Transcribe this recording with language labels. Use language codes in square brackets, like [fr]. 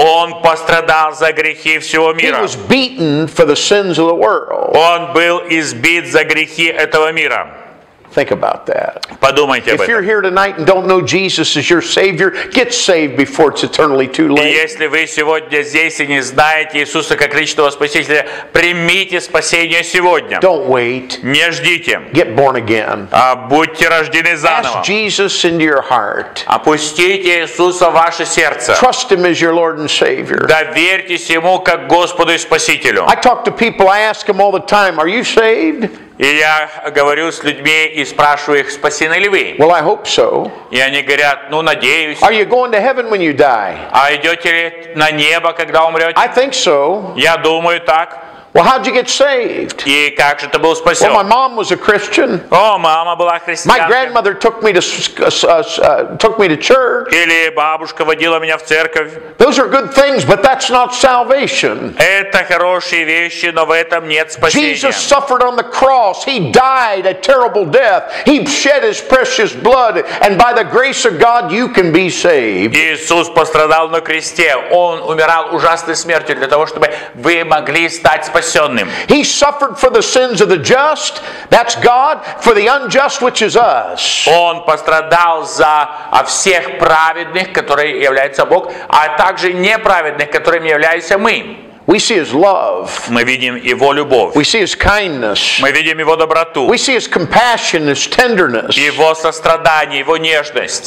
[ru] Он пострадал за грехи всего мира. [en] He was beaten for the sins of the world. [ru] Он был избит за грехи этого мира. [en] Think about that. [ru] Подумайте об этом. [en] If you're here tonight and don't know Jesus as your Savior, get saved before it's eternally too late. [ru] Если вы сегодня здесь и не знаете Иисуса как личного спасителя, примите спасение сегодня. [en] Don't wait. [ru] Не ждите. [en] Get born again. [ru] А будьте рождены заново. [en] Ask Jesus into your heart. [ru] Опустите Иисуса в ваше сердце. [en] Trust Him as your Lord and Savior. [ru] Доверьтесь Ему как Господу и Спасителю. [en] I talk to people. I ask them all the time, "Are you saved?" [ru] И я говорю с людьми и спрашиваю их, спасены ли вы? [en] Well, I hope so. [ru] И они говорят, ну, надеюсь. [en] Are you going to heaven when you die? [ru] А идете ли на небо, когда умрете? [en] I think so. [ru] Я думаю так. [en] Well, how'd you get saved? [ru] И как же ты был спасен? [en] Well, my mom was a Christian. [ru] О, мама была христианкой. [en] My grandmother took me to church. [ru] Или бабушка водила меня в церковь. [en] Those are good things, but that's not salvation. [ru] Это хорошие вещи, но в этом нет спасения. [en] Jesus suffered on the cross. He died a terrible death. He shed His precious blood, and by the grace of God, you can be saved. [ru] Иисус пострадал на кресте. Он умирал ужасной смертью для того, чтобы вы могли стать [en] He suffered for the sins of the just, that's God, for the unjust, which is us. [ru] Он пострадал за всех праведных, которые являются Бог, а также неправедных, которыми являемся мы. [en] We see His love. [ru] Мы видим Его любовь. [en] We see His kindness. [ru] Мы видим Его доброту. [en] We see His compassion, His tenderness. [ru] Его сострадание, Его нежность.